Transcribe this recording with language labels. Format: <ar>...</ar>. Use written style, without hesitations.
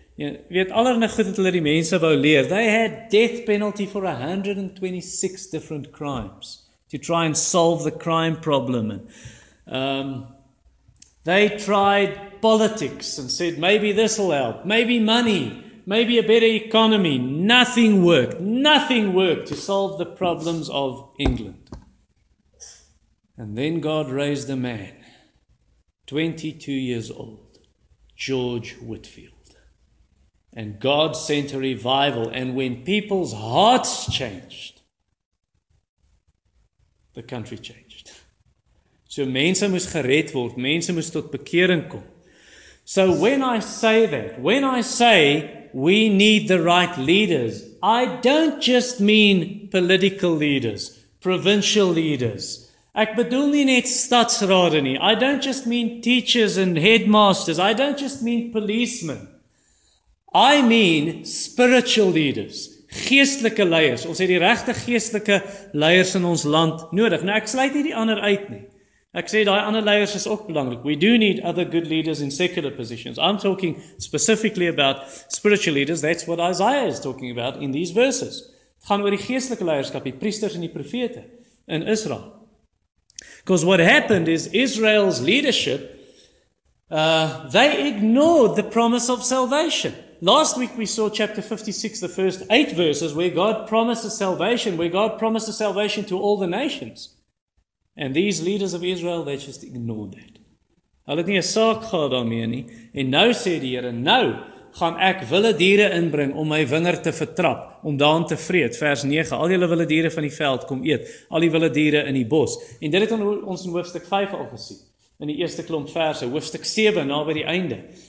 <af>Jy weet, allerhande goed het hulle die mense wou leer.</af> <en>They had death penalty for 126 different crimes to try and solve the crime problem. They tried politics and said, maybe this will help, maybe money, maybe a better economy. Nothing worked to solve the problems of England. And then God raised a man, 22 years old, George Whitefield. And God sent a revival. And when people's hearts changed, the country changed.</en> <af>So mense moes gered word, mense moes tot bekering kom.</af> <en>So when I say that, when I say we need the right leaders, I don't just mean political leaders, provincial leaders.</en> <af>Ek bedoel nie net stadsrade nie.</af> <en>I don't just mean teachers and headmasters. I don't just mean policemen. I mean spiritual leaders,</en> <af>geestelike leiers. Ons het die regte geestelike leiers in ons land nodig. Nou ek sluit nie die ander uit nie. Ek sê die ander leiers is ook belangrik.</af> <en>We do need other good leaders in secular positions. I'm talking specifically about spiritual leaders. That's what Isaiah is talking about in these verses.</en> <af>Het gaan oor die geestelike leierskap, die priesters en die profete in Israel.</af> <en>Because what happened is Israel's leadership, they ignored the promise of salvation. Last week we saw chapter 56, the first 8 verses, where God promises salvation, where God promises salvation to all the nations. And these leaders of Israel, they just ignored that.</en> <af>Hulle het nie 'n saak gehad daarmee nie. En nou sê die Here, nou gaan ek wilde diere inbring om my wingerd te vertrap, om daan te vreet. Vers 9, al julle wilde diere van die veld kom eet, al die wilde diere in die bos. En dit het ons in hoofstuk 5 al gesien, in die eerste klomp verse, hoofstuk 7, na by die einde.</af>